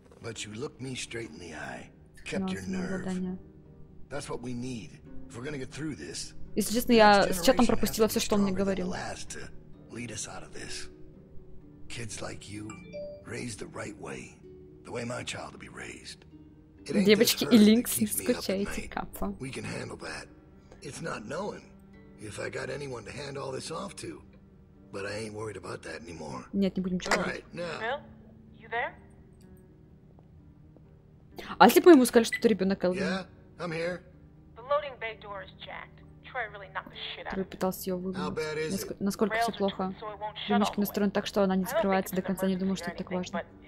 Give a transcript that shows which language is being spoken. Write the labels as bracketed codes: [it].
[en] But you looked me straight in the eye, kept your nerve. That's what we need. If we're gonna get through this, [ru] если честно, я с чатом пропустила все, что он мне говорил. [en] Lead us out of this. Kids like you, raised the right way, the way my child will be raised. [ru] Девочки и Линкс, не скучайте, Капа. [en] We can handle that. It's not knowing if I got anyone to hand all this off to, but I ain't worried about that anymore. [ru] Нет, не будем чего. [en] All right, now. Bill, you there? [ru] А если бы ему сказали, что это ребенок Элвин? [en] Yeah, I'm here. The loading bay door is jacked. Troy really knocked the shit out of me. [ru] Трой пытался ее выбить. [en] How bad is it? [ru] Насколько все плохо? Ремешки настроены так, что она не скрывается до конца. Не думаю, что это так важно.